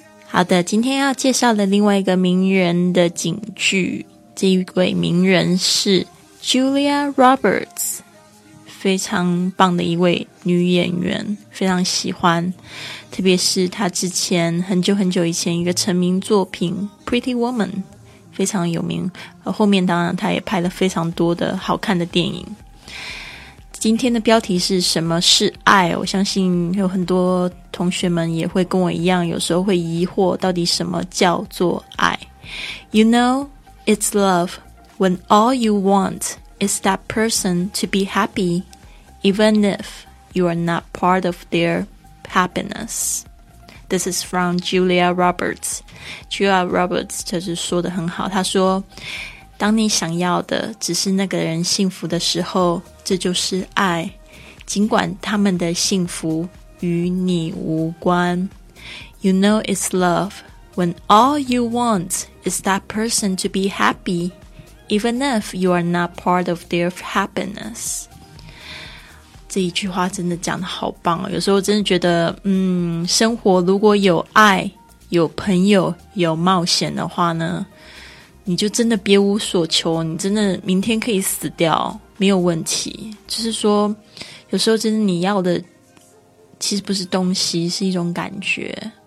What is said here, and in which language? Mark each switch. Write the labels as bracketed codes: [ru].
[zh] 好的，今天要介绍的另外一个名人的警句，这一位名人是 Julia Roberts， 非常棒的一位女演员，非常喜欢，特别是她之前很久很久以前一个成名作品 Pretty Woman 非常有名，后面当然她也拍了非常多的好看的电影。今天的标题是什么是爱？我相信有很多同学们也会跟我一样，有时候会疑惑到底什么叫做爱。 [en] You know, it's love when all you want is that person to be happy, even if you are not part of their happiness. This is from Julia Roberts. [zh] Julia Roberts 就是说得很好，她说当你想要的只是那个人幸福的时候，这就是爱，尽管他们的幸福与你无关。 [en] You know it's love when all you want is that person to be happy, even if you are not part of their happiness. [zh] 这一句话真的讲得好棒哦，有时候我真的觉得生活如果有爱，有朋友，有冒险的话呢，你就真的别无所求，你真的明天可以死掉没有问题。就是说有时候真的你要的其实不是东西，是一种感觉。